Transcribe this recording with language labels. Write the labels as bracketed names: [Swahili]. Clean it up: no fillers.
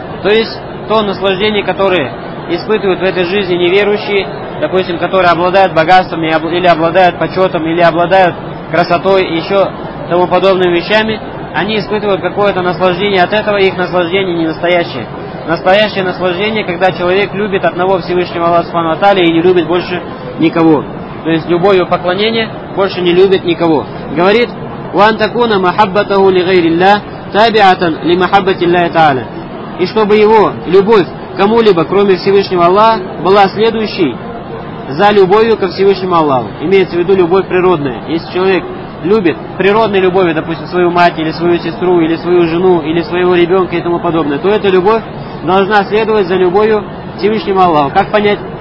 [Russian] То есть то наслаждение, которое испытывают в этой жизни неверующие, допустим, которые обладают богатством или обладают почетом, или обладают красотой и еще тому подобными вещами, они испытывают какое-то наслаждение, от этого их наслаждение не настоящее. Настоящее наслаждение, когда человек любит одного Всевышнего Аллаха Субхану ва Тааля и не любит больше никого. То есть любовью поклонения больше не любит никого. Говорит, [Arabic] وَأَنْ تَكُونَ مَحَبَّتَهُ لِغَيْرِ اللَّهِ تَابِعَةً لِمَحَبَّةِ اللَّهِ تَعَالَى. [Russian] И чтобы его любовь кому-либо, кроме Всевышнего Аллаха, была следующей за любовью ко Всевышнему Аллаху. Имеется в виду любовь природная. Если человек любит природной любовью, допустим, свою мать, или свою сестру, или свою жену, или своего ребенка и тому подобное, то эта любовь должна следовать за любовью Всевышнему Аллаху. Как понять?